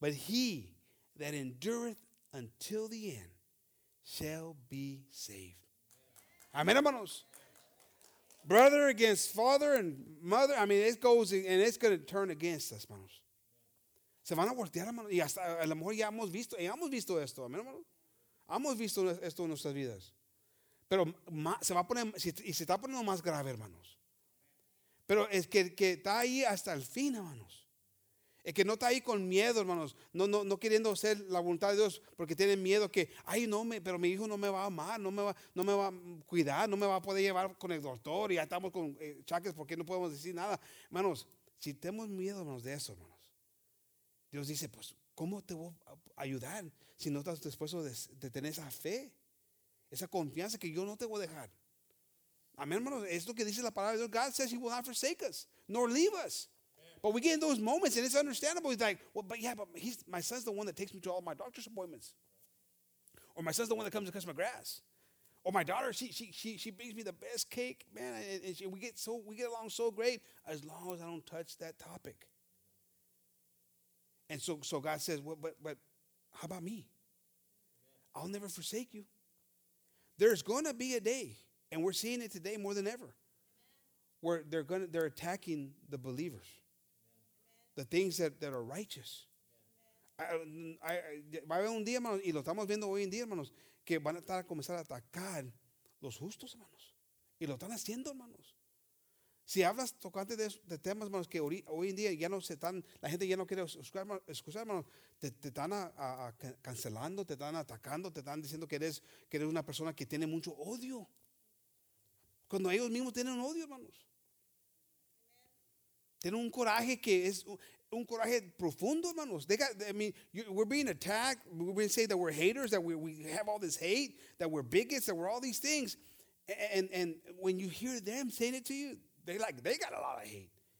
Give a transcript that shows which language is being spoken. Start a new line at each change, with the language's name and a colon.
English: But he that endureth until the end shall be saved. Amen, hermanos. Brother against father and mother. I mean, it goes and it's going to turn against us, hermanos.
Spanish: Se van a voltear, hermanos. Y hasta a lo mejor ya hemos visto esto. Amen, hermanos. Hemos visto esto en nuestras vidas. Pero se va a poner, y se está poniendo más grave, hermanos. Pero es que está ahí hasta el fin, hermanos. Es que no está ahí con miedo, hermanos. No queriendo hacer la voluntad de Dios porque tiene miedo que, ay, no, pero mi hijo no me va a amar, no me va a cuidar, no me va a poder llevar con el doctor y ya estamos con chaques porque no podemos decir nada. Hermanos, si tenemos miedo, hermanos, de eso, hermanos, Dios dice, pues, ¿cómo te voy a ayudar si no estás dispuesto de tener esa fe, esa confianza que yo no te voy a dejar? Amén, hermanos, es lo que dice la palabra de Dios.
English: God says he will not forsake us, nor leave us. But we get in those moments, and it's understandable. He's like, well, but yeah, but he's my son's the one that takes me to all my doctor's appointments. Or my son's the one that comes to cut my grass. Or my daughter, she brings me the best cake, man. And she, we get along so great as long as I don't touch that topic. And so God says, well, but how about me? I'll never forsake you. There's going to be a day, and we're seeing it today more than ever, where they're attacking the believers. The things that are righteous.
Spanish: Va a haber un día, hermanos, y lo estamos viendo hoy en día, hermanos, que van a comenzar a atacar los justos, hermanos. Y lo están haciendo, hermanos. Si hablas tocante de temas, hermanos, que hoy en día ya no se están, la gente ya no quiere escuchar, hermanos, te están a cancelando, te están atacando, te están diciendo que eres una persona que tiene mucho odio. Cuando ellos mismos tienen odio, hermanos. Tiene un coraje que es un coraje profundo, hermanos.
English: We're being attacked. We're being said that we're haters, that we have all this hate, that we're bigots, that we're all these things. And when you hear them saying it to you, they like they got a lot of hate.